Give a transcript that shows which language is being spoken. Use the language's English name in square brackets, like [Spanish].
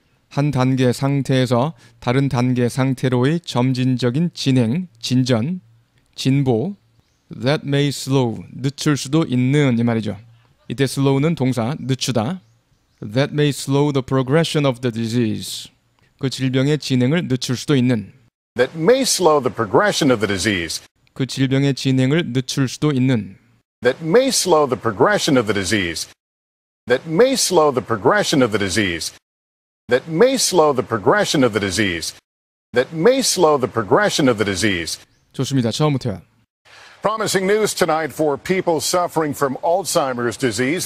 [Korean] 한 단계 상태에서 다른 단계 상태로의 점진적인 진행, 진전, 진보. [English] That may slow. [Korean] 늦출 수도 있는 이 말이죠. 이때 slow는 동사, 늦추다. [English] That may slow the progression of the disease. [Korean] 그 질병의 진행을 늦출 수도 있는. [English] That may slow the progression of the disease. [Korean] 그 질병의 진행을 늦출 수도 있는. [English] That may slow the progression of the disease. That may slow the progression of the disease. That may slow the progression of the disease. That may slow the progression of the disease. [Korean] 좋습니다. 처음부터요. [English] Promising news tonight for people suffering from Alzheimer's disease.